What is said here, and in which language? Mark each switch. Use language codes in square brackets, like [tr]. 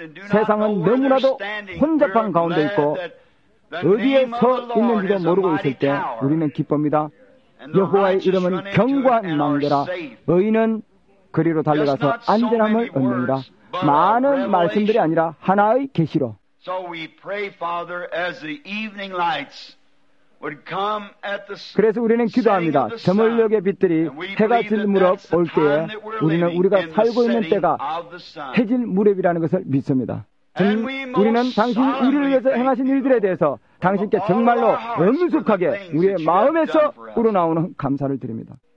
[ko] 세상은 너무나도 혼잡한 가운데 있고 어디에 서 있는지도 모르고 있을 때 우리는 기쁩니다. 여호와의 이름은 견고한 망대라. 의인은 그리로 달려가서 안전함을 얻는다. 많은 말씀들이 아니라 하나의 계시로. [en] So we pray, Father, as the evening lights would come at the sun. [ko] 그래서 우리는 기도합니다. 저물녘의 빛들이 해가 질 무렵 올 때에 우리는 우리가 살고 있는 때가 해질 무렵이라는 것을 믿습니다. 우리는 당신이 우리를 위해서 행하신 일들에 대해서 당신께 정말로 엄숙하게 우리의 마음에서 우러나오는 감사를 드립니다.